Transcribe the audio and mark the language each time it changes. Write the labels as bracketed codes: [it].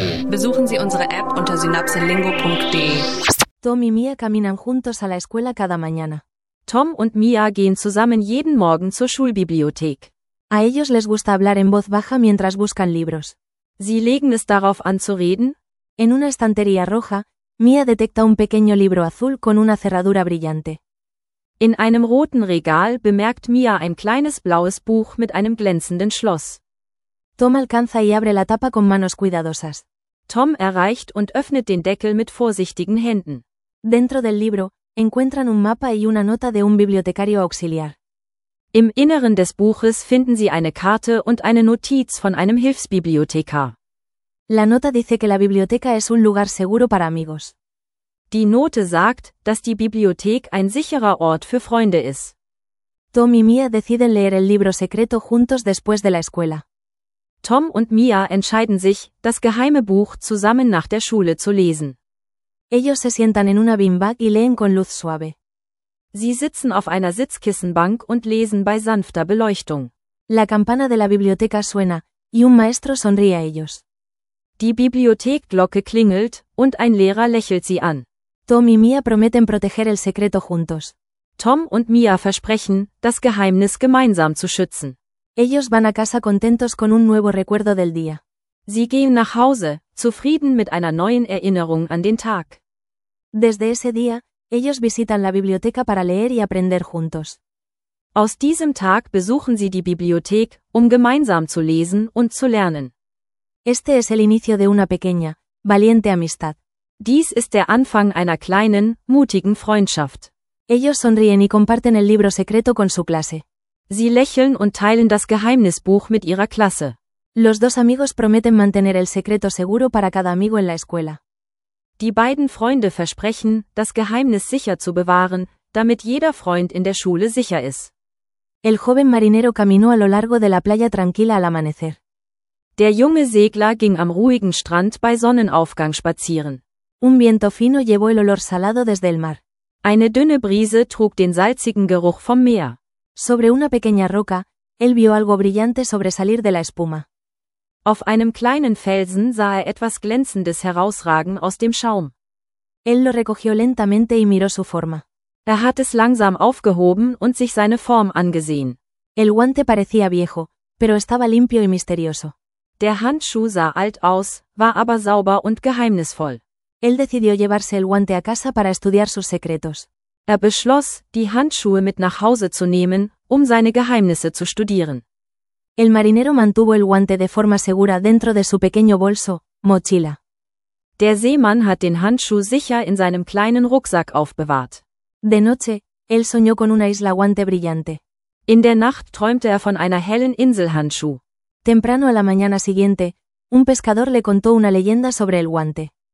[de] Besuchen Sie unsere App unter synapselingo.de. [es] Tom y Mia caminan juntos a la escuela cada mañana. [de] Tom und Mia gehen zusammen jeden Morgen zur Schulbibliothek. [es] A ellos les gusta hablar en voz baja mientras buscan libros. [de] Sie legen es darauf an zu reden. [es] En una estantería roja, Mia detecta un pequeño libro azul con una cerradura brillante. [de] In einem roten Regal bemerkt Mia ein kleines blaues Buch mit einem glänzenden Schloss. [es] Tom alcanza y abre la tapa con manos cuidadosas. [de] Tom erreicht und öffnet den Deckel mit vorsichtigen Händen. [es] Dentro del libro, encuentran un mapa y una nota de un bibliotecario auxiliar. [de] Im Inneren des Buches finden sie eine Karte und eine Notiz von einem Hilfsbibliothekar. [es] La nota dice que la biblioteca es un lugar seguro para amigos. [de] Die Note sagt, dass die Bibliothek ein sicherer Ort für Freunde ist. [es] Tom y Mia deciden leer el libro secreto juntos después de la escuela. [de] Tom und Mia entscheiden sich, das geheime Buch zusammen nach der Schule zu lesen. [es] Ellos se sientan en una beanbag y leen con luz suave. [de] Sie sitzen auf einer Sitzkissenbank und lesen bei sanfter Beleuchtung. [es] La campana de la biblioteca suena, y un maestro sonríe a ellos. [de] Die Bibliothekglocke klingelt, und ein Lehrer lächelt sie an. [es] Tom y Mia prometen proteger el secreto juntos. [de] Tom und Mia versprechen, das Geheimnis gemeinsam zu schützen. [es] Ellos van a casa contentos con un nuevo recuerdo del día. [de] Sie gehen nach Hause, zufrieden mit einer neuen Erinnerung an den Tag. [es] Desde ese día, ellos visitan la biblioteca para leer y aprender juntos. [de] Aus diesem Tag besuchen sie die Bibliothek, um gemeinsam zu lesen und zu lernen. [es] Este es el inicio de una pequeña, valiente amistad. [de] Dies ist der Anfang einer kleinen, mutigen Freundschaft. [es] Ellos sonríen y comparten el libro secreto con su clase. [de] Sie lächeln und teilen das Geheimnisbuch mit ihrer Klasse. [es] Los dos amigos prometen mantener el secreto seguro para cada amigo en la escuela. [de] Die beiden Freunde versprechen, das Geheimnis sicher zu bewahren, damit jeder Freund in der Schule sicher ist. [es] El joven marinero caminó a lo largo de la playa tranquila al amanecer. [de] Der junge Segler ging am ruhigen Strand bei Sonnenaufgang spazieren. [es] Un viento fino llevó el olor salado desde el mar. [de] Eine dünne Brise trug den salzigen Geruch vom Meer. [es] Sobre una pequeña roca, él vio algo brillante sobresalir de la espuma. [de] Auf einem kleinen Felsen sah er etwas Glänzendes herausragen aus dem Schaum. [es] Él lo recogió lentamente y miró su forma. [de] Er hat es langsam aufgehoben und sich seine Form angesehen. [es] El guante parecía viejo, pero estaba limpio y misterioso. [de] Der Handschuh sah alt aus, war aber sauber und geheimnisvoll. [es] Él decidió llevarse el guante a casa para estudiar sus secretos. [de] Er beschloss, die Handschuhe mit nach Hause zu nehmen, um seine Geheimnisse zu studieren. [es] El marinero mantuvo el guante de forma segura dentro de su pequeño bolso, mochila. [de] Der Seemann hat den Handschuh sicher in seinem kleinen Rucksack aufbewahrt. [es] De noche, él soñó con una isla guante brillante. [de] In der Nacht träumte er von einer hellen Inselhandschuh. [es] Temprano a la mañana siguiente, un pescador le contó una leyenda sobre el guante.